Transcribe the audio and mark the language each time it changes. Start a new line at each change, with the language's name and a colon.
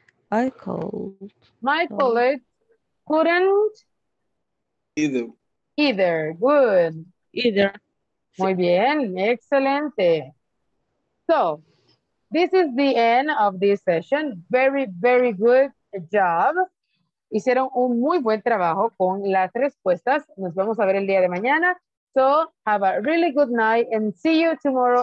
English: I called. My colleague couldn't. Either. Good. Either.
Spanish: Muy bien. Excelente.
English: So, this is the end of this session. Very, very good job.
Spanish: Hicieron un muy buen trabajo con las respuestas. Nos vamos a ver el día de mañana.
English: So, have a really good night and see you tomorrow.